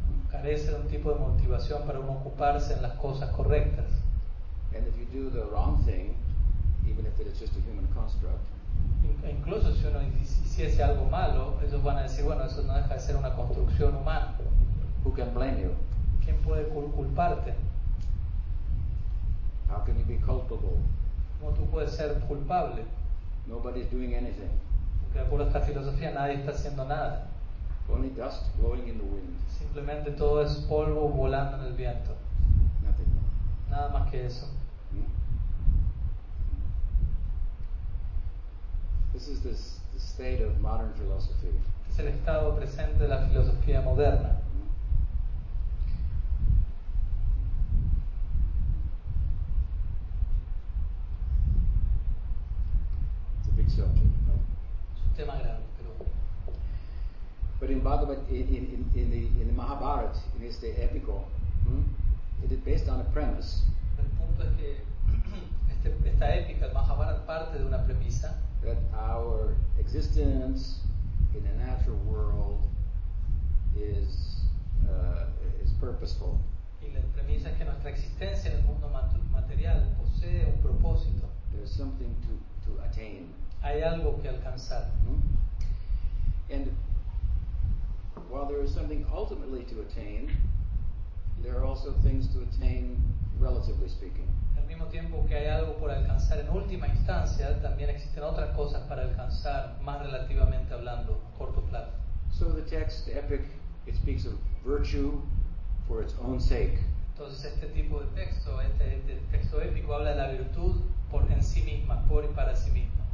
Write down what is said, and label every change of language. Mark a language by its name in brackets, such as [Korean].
[Spanish] Carece de un tipo de motivación para uno ocuparse en las cosas correctas. [English] And if you do the wrong thing, even if it's just a human construct. [Spanish] Incluso si uno hiciese algo malo, ellos van a decir, bueno, eso no deja de ser una construcción humana. [English] Who can blame you? [Spanish] ¿Quién puede culparte? [English] How can you be culpable? [Spanish] ¿Cómo tú puedes ser culpable? [English] Nobody's doing anything. [Spanish] Porque de acuerdo a esta filosofía, nadie está haciendo nada. [English] Only dust blowing in the wind. [Spanish] Simplemente todo es polvo volando en el viento. [English] Nothing. [Spanish] Nada más que eso. [English] This is the state of modern philosophy. [Spanish] Es el estado presente de la filosofía moderna. [English] It's a big subject. [Spanish] Es un tema grande, pero. [English] But in Bhagavad, in the Mahabharata, in [Spanish] este épico, [English] it is based on a premise. [Spanish] El punto es que esta épica, el Mahabharata, parte de una premisa. [English] That our existence in the natural world is purposeful. [Spanish] Y la premisa es que nuestra existencia en el mundo material posee un propósito. [English] There's something to attain. [Spanish] Hay algo que alcanzar. [English] And while there is something ultimately to attain, there are also things to attain relatively speaking. [Spanish] Al mismo tiempo que hay algo por alcanzar en última instancia, también existen otras cosas para alcanzar más relativamente hablando a corto plazo. [English] So the text, the epic, it speaks of virtue for its own sake. [Spanish] Entonces este tipo de texto, este texto épico habla de la virtud por en sí misma, por y para sí misma.